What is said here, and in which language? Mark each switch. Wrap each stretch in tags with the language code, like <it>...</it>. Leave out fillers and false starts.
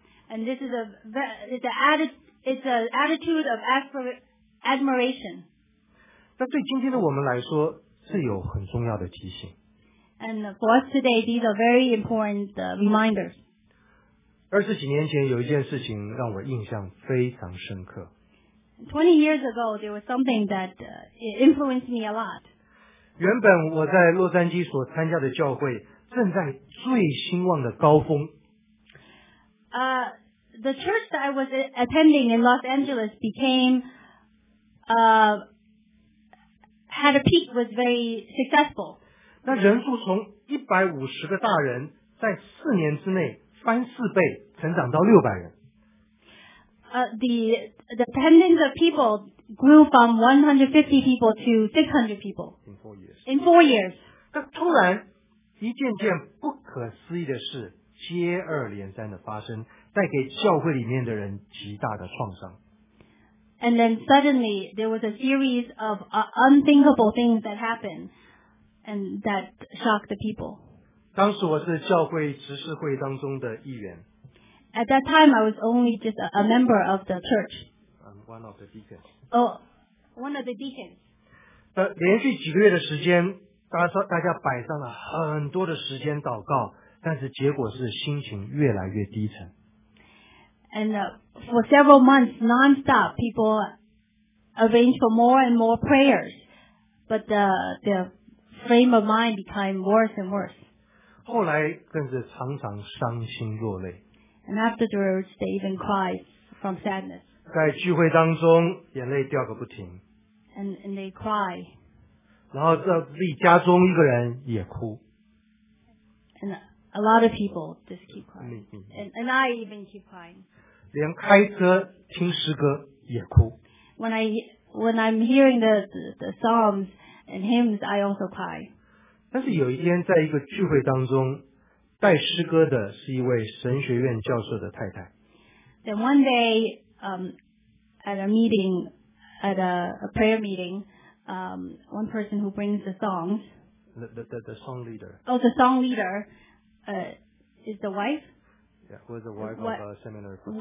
<en>And this is an attitude of admiration.</en> <zh>那对今天的我们来说，是有很重要的提醒。</zh> <en>And for us today, these are very important reminders.</en> <zh>二十几年前，有一件事情让我印象非常深刻。</zh> <en>20 years ago, there was something that influenced me a lot.</en> <zh>原本我在洛杉矶所参加的教会正在最兴旺的高峰。</zh> <en>The church that I was attending in Los Angeles became, had a peak, was very successful.</en> <zh>那人数从150个大人在四年之内翻四倍，成长到600人。</zh> <en>The attendance of people grew from 150 people to 600 people. In four years.</en> <zh>那突然，一件件不可思议的事接二连三的发生，带给教会里面的人极大的创伤。</zh> <en>And then suddenly there was a series of unthinkable things that happened, and that shocked the people.</en> <zh>当时我是教会执事会当中的一员。</zh> <en>At that time, I was only just a member of the church. I'm one of the deacons. Oh, one of the deacons.</en> <zh>连续几个月的时间，大家摆上了很多的时间祷告，但是结果是心情越来越低沉。</zh> <en>And for several months, nonstop, people arranged for more and more prayers, but the frame of mind became worse and worse.</en> <zh>后来更是常常伤心落泪。</zh> <en>And afterwards, they even cried from sadness.</en> <zh>在聚会当中，眼泪掉个不停。</zh> <en>And they cry.</en> <zh>然后在自己家中，一个人也哭。</zh> <en>And a lot of people just keep crying. And I even keep crying.</en> <zh>连开车听诗歌也哭。</zh> <en>When I'm hearing the psalms and hymns, I also cry.</en> <zh>但是有一天，在一个聚会当中。带诗歌的是一位神学院教授的太太。</zh> <en>Then one day, at a meeting, at a prayer meeting, one person who brings the songs. The song leader. Oh, the song leader, is the wife. Yeah, was the wife of a seminary professor.</en>